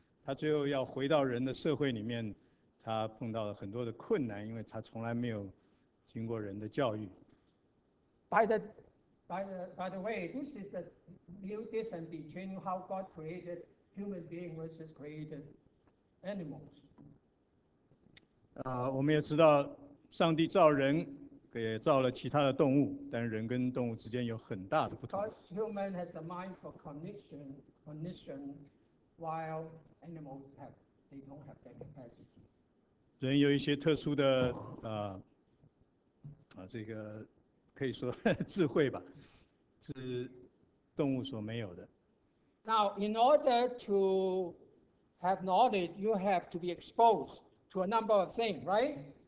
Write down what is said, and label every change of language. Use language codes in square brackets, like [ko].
[zh] 他最后要回到人的社会里面，他碰到了很多的困难，因为他从来没有经过人的教育。 [en] By the way, this is the real difference between how God created human being versus created animals. [zh] 我们也知道，上帝造人，也造了其他的动物，但人跟动物之间有很大的不同。 [en] Because human has the mind for cognition, while animals don't have that capacity. [zh] 人有一些特殊的这个可以说智慧吧，是动物所没有的。 [en] Now, in order to have knowledge, you have to be exposed to a number of things, right?